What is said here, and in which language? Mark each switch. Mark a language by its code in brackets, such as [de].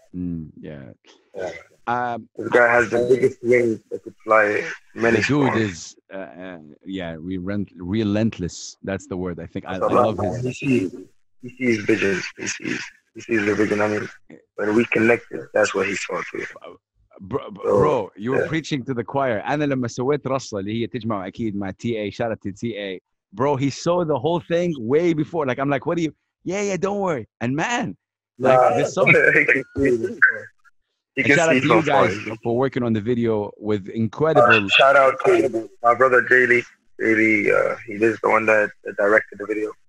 [en] This guy has the biggest wings that could fly many. The dude is, relentless. That's the word, I think. I love his. He sees visions. He sees the vision. I mean, when we connected, that's what he saw too. Bro, you're preaching to the choir. [ar] أنا لما سويت رصة اللي هي تجمع أكيد مع TA, [en] shout out to TA. Bro, he saw the whole thing way before. Like, I'm like, what are you? Yeah, don't worry. And man, like, this song. Shout out to you guys for working on the video with incredible. Shout out to my brother Jay Lee, he is the one that directed the video.